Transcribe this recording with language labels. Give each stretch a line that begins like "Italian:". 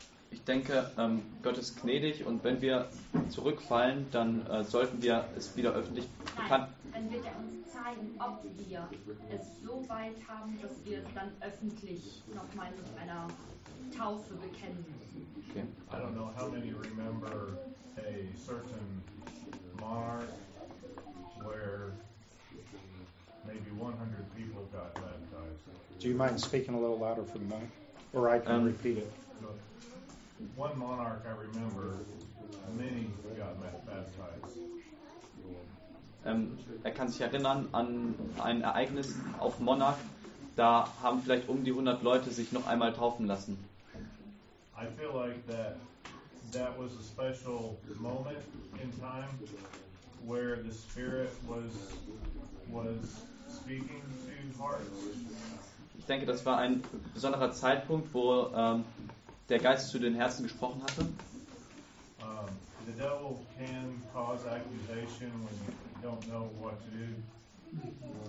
German: Ich denke, Gott ist gnädig und wenn wir zurückfallen, dann sollten wir es wieder öffentlich bekannt. Dann wird er uns zeigen, ob wir es so weit haben, dass wir es dann öffentlich nochmal mit einer Taufe bekennen müssen.
English: Okay. I don't know how many remember a certain mark where maybe 100 people got baptized. Do you mind speaking a little louder for the mic? Or I can repeat it. One monarch I remember, many got baptized.
German: Er kann sich erinnern an ein Ereignis auf Monarch, da haben vielleicht um die 100 Leute sich noch einmal taufen lassen.
English: I feel like that, that was a special moment in time where the Spirit was speaking to hearts.
German: Ich denke, das war ein besonderer Zeitpunkt, wo der Geist zu den Herzen gesprochen hatte.
English: The devil can cause accusation when you don't know what to do.